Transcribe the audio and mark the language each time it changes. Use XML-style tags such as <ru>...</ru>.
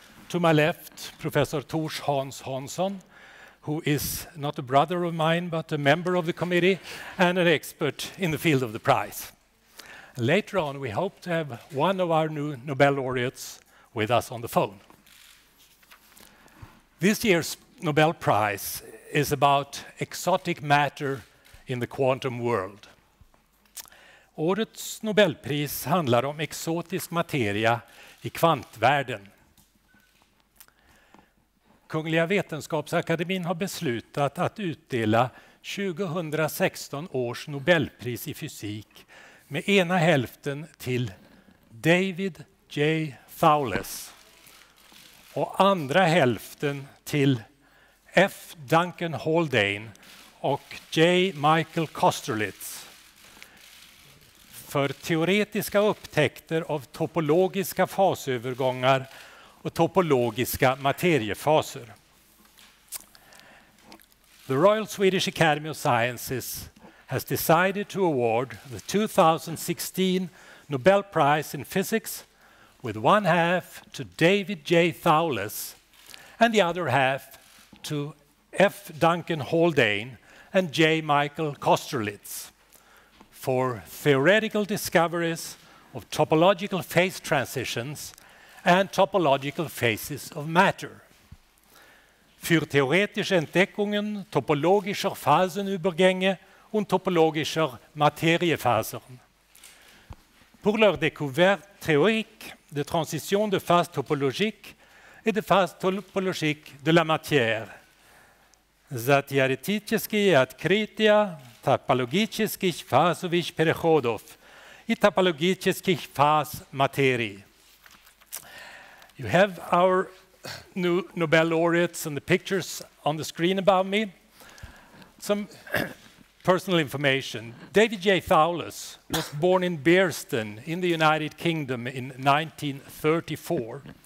<en>To my left, Professor Thors Hansson, who is not a brother of mine, but a member of the committee and an expert in the field of the prize. Later on, we hope to have one of our new Nobel laureates with us on the phone. This year's Nobel Prize is about exotic matter in the quantum world.</en> <sv>Årets Nobelpris handlar om exotisk materia i kvantvärlden. Kungliga Vetenskapsakademin har beslutat att utdela 2016 års Nobelpris i fysik med ena hälften till David J. Thouless och andra hälften till F. Duncan Haldane och J. Michael Kosterlitz för teoretiska upptäckter av topologiska fasövergångar och topologiska materiefaser.</sv> <en>The Royal Swedish Academy of Sciences has decided to award the 2016 Nobel Prize in Physics with one half to David J. Thouless and the other half to F. Duncan Haldane and J. Michael Kosterlitz for theoretical discoveries of topological phase transitions and topological phases of matter.</en> <de>För teoretische Entdeckungen topologischer Phasenübergänge und topologischer Materiefasern.</de> <fr>Pour leur découverte théorique de transition de phase topologique et de phase topologique de la matière.</fr> <pl>Za teoretyczne odkrycia topologicznych fazowych przechodów i topologicznych faz materii.</pl> <en>You have our new Nobel laureates and the pictures on the screen above me. Some personal information. David J. Thouless was born in Bearsden in the United Kingdom in 1934.</en>